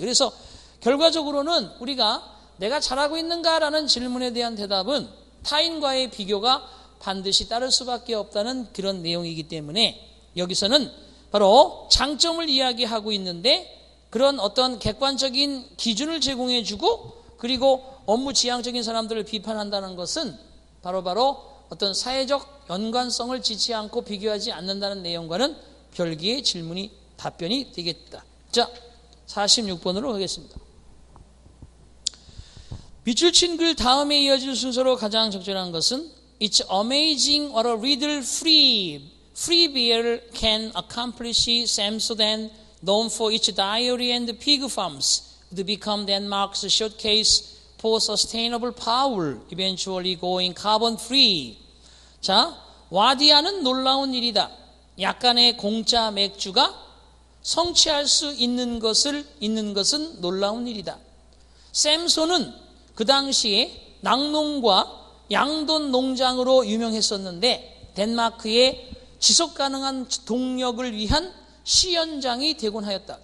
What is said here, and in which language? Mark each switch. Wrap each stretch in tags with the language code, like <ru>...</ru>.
<ko>그래서 결과적으로는 우리가 내가 잘하고 있는가라는 질문에 대한 대답은 타인과의 비교가 반드시 따를 수밖에 없다는 그런 내용이기 때문에 여기서는 바로 장점을 이야기하고 있는데 그런 어떤 객관적인 기준을 제공해주고 그리고 업무 지향적인 사람들을 비판한다는 것은 바로 어떤 사회적 연관성을 지지 않고 비교하지 않는다는 내용과는 별개의 질문이 답변이 되겠다. 자, 46번으로 가겠습니다. 밑줄 친 글 다음에 이어질 순서로 가장 적절한 것은</ko> <en>It's amazing what a little free beer can accomplish Sam's then known for its dairy and pig farms to become Denmark's showcase for sustainable power eventually going carbon free.</en> <ko>자, 와디아는 놀라운 일이다. 약간의 공짜 맥주가 성취할 수 있는 것을 있는 것은 놀라운 일이다. 샘소는 그 당시에 낙농과 양돈 농장으로 유명했었는데 덴마크의 지속가능한 동력을 위한 시연장이 되곤 하였다.</ko>